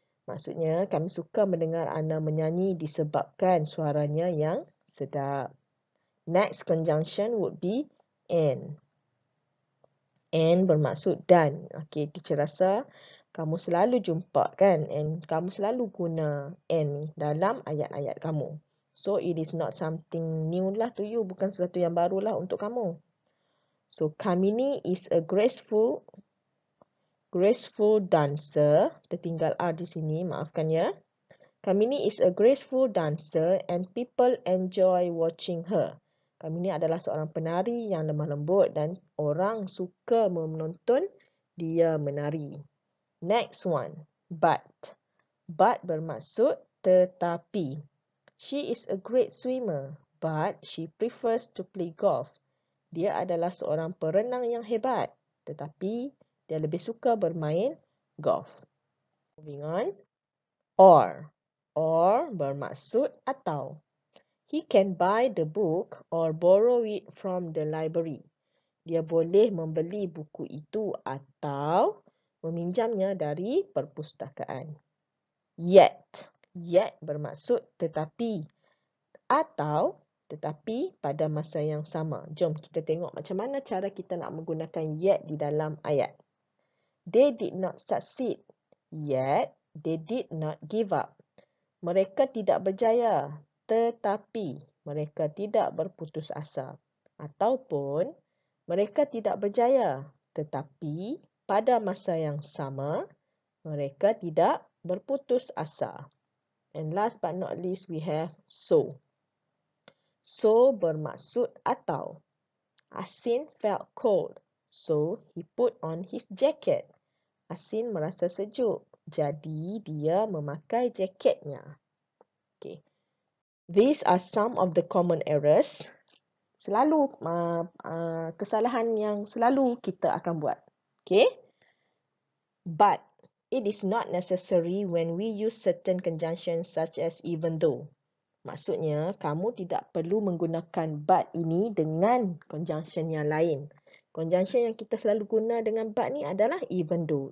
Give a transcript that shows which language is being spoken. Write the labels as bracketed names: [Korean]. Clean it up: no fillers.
[Malay] Maksudnya, kami suka mendengar Anna menyanyi disebabkan suaranya yang sedap. [English] Next conjunction would be and. And [Malay] bermaksud dan. Okey, teacher rasa kamu selalu jumpa kan? And kamu selalu guna and dalam ayat-ayat kamu. [English] So, it is not something new lah to you. [Malay] Bukan sesuatu yang barulah untuk kamu. [English] So, Kamini is a graceful dancer, [Malay] tertinggal R di sini, maafkan ya. [English] Kamini is a graceful dancer and people enjoy watching her. [Malay] Kamini adalah seorang penari yang lemah lembut dan orang suka menonton dia menari. [English] Next one, but. But [Malay] bermaksud tetapi. [English] She is a great swimmer, but she prefers to play golf. [Malay] Dia adalah seorang perenang yang hebat, tetapi dia lebih suka bermain golf. [English] Moving on. Or. Or [Malay] bermaksud atau. [English] He can buy the book or borrow it from the library. [Malay] Dia boleh membeli buku itu atau meminjamnya dari perpustakaan. Yet. Yet bermaksud tetapi. Atau tetapi pada masa yang sama. Jom kita tengok macam mana cara kita nak menggunakan yet di dalam ayat. [English] They did not succeed, yet they did not give up. [Malay] Mereka tidak berjaya, tetapi mereka tidak berputus asa. Ataupun, mereka tidak berjaya, tetapi pada masa yang sama, mereka tidak berputus asa. [English] And last but not least, we have so. So [Malay] bermaksud atau. [English] Asin felt cold, so he put on his jacket. [Malay] Asin merasa sejuk, jadi dia memakai jaketnya. [English] Okay. These are some of the common errors. [Malay] Selalu, kesalahan yang selalu kita akan buat. Okay. [English] But, it is not necessary when we use certain conjunctions such as even though. [Malay] Maksudnya, kamu tidak perlu menggunakan but ini dengan conjunction yang lain. Conjunction yang kita selalu guna dengan but ni adalah even though.